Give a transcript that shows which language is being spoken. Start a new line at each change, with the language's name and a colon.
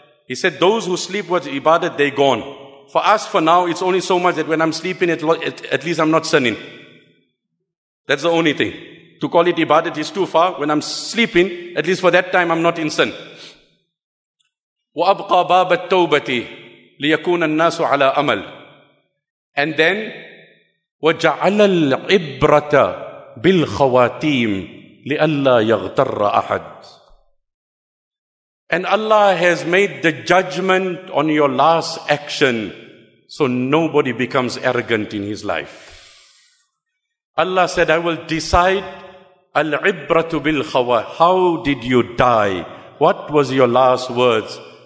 English: He said those who sleep with ibadat, they're gone. For us, for now, it's only so much that when I'm sleeping, at least I'm not sinning. That's the only thing. To call it ibadat is too far. When I'm sleeping, at least for that time, I'm not in sin.
Arabic: وَأَبْقَى بَابَ التَّوْبَةِ لِيَكُونَ النَّاسُ عَلَىٰ أَمَلٍ.
English: And then,
Arabic: وَجَعَلَ الْعِبْرَةَ بِالْخَوَاتِيمِ لِأَلَّا يَغْتَرَّ أَحَدٍ.
English: And Allah has made the judgment on your last action, so nobody becomes arrogant in his life. Allah said, I will decide al-ibratu bil khawa. How did you die? What was your last words?